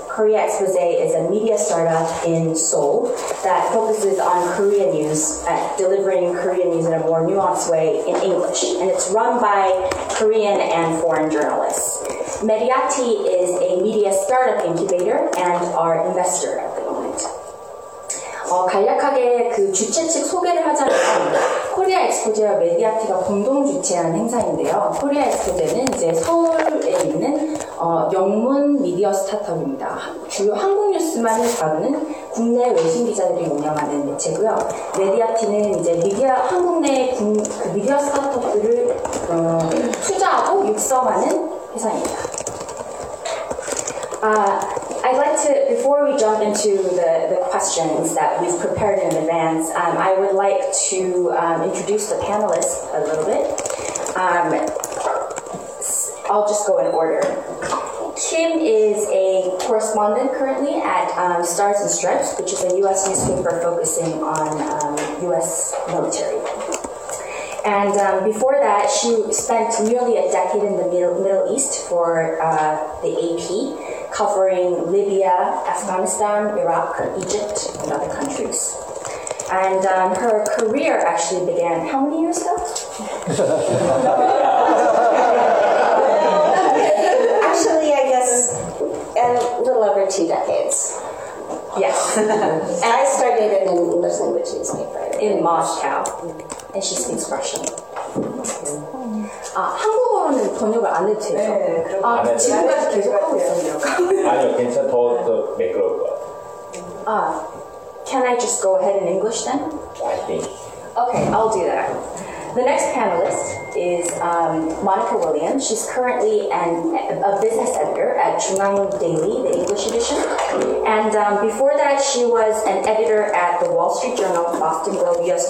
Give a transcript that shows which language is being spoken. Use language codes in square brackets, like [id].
[en] Korea Exposé is a media startup in Seoul that focuses on Korean news, delivering Korean news in a more nuanced way in English. And it's run by Korean and foreign journalists. Mediati is a media startup incubator and our investor at the moment. [ko] 간략하게 그 주최 측 소개를 하자면 코리아 엑스포제와 메디아티가 공동 주최한 행사인데요. 코리아 엑스포제는 이제 서울에 있는 영문 미디어 스타트업입니다. 주요 한국 뉴스만을 다루는 국내 외신 기자들이 운영하는 매체고요. 메디아티는 이제 미디어 한국 내 그 미디어 스타트업들을 투자하고 육성하는 회사입니다. [en] I'd like to, before we jump into the questions that we've prepared in advance, I would like to introduce the panelists a little bit. I'll just go in order. Kim is a correspondent currently at Stars and Stripes, which is a U.S. newspaper focusing on U.S. military. And before that, she spent nearly a decade in the Middle East for the AP, covering Libya, Afghanistan, Iraq, Egypt, and other countries. And her career actually began, how many years ago? Actually, I guess a little over 2 decades. Yes. And I started in an English language newspaper. In Moscow. And she speaks Russian. Mm-hmm. [ko] 한국어로는 번역을 안 해도 되죠? 네, 아, 지금까지 계속하고 있었네요. 아니요, 괜찮아. 더 매끄러울 것 같아요. [en] Can I just go ahead in English then? I think. Okay, I'll do that. The next panelist is Monica Williams. She's currently a business editor at Chungang Daily, the English edition. And before that, she was an editor at The Wall Street Journal, Boston Globe, U.S.